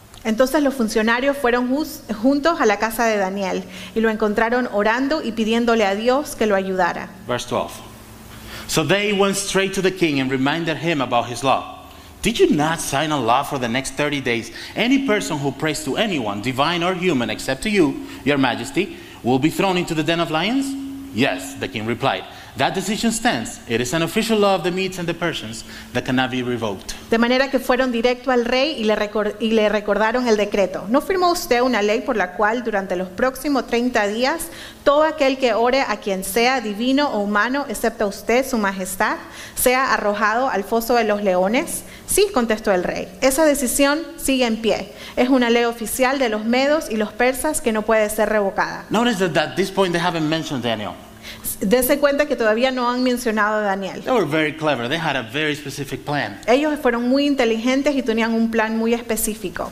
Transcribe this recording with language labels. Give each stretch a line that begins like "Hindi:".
Spanish: Entonces los funcionarios fueron juntos a la casa de Daniel y lo encontraron orando y pidiéndole a Dios que lo ayudara.
English: Verse 12. So they went straight to the king and reminded him about his law. Did you not sign a law for the next 30 days? Any person who prays to anyone, divine or human, except to you, your majesty, will be thrown into the den of lions? Yes, the king replied. That decision stands. It is an official law of the Medes and the Persians that cannot be revoked.
Spanish: De manera que fueron directo al rey y le recordaron el decreto. ¿No firmó usted una ley por la cual durante los próximos 30 días todo aquel que ore a quien sea divino o humano, excepto usted, su majestad, sea arrojado al foso de los leones? Sí, contestó el rey. Esa decisión sigue en pie. Es una ley oficial de los medos y los persas que no puede ser revocada.
English: Notice that at this point they haven't mentioned Daniel.
Spanish: Dese cuenta que todavía no han mencionado a Daniel.
English: They were very clever. They had a very specific plan.
Spanish: Ellos fueron muy inteligentes y tenían un plan muy específico.